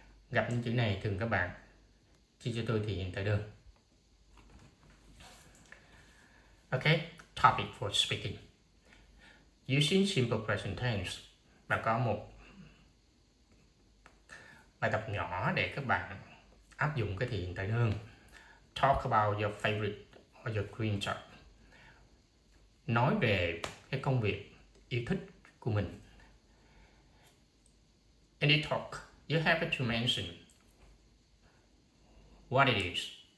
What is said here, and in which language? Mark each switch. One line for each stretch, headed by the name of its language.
Vietnamese: Gặp những chữ này thường các bạn chia cho tôi thì hiện tại đơn.
English: Ok, topic for speaking. Using simple present tense,
Vietnamese: bạn có một bài tập nhỏ để các bạn áp dụng cái thì hiện tại đơn.
English: Talk about your favorite or your dream job.
Vietnamese: Nói về cái công việc yêu thích của mình.
English: In the talk, you have to mention what it is.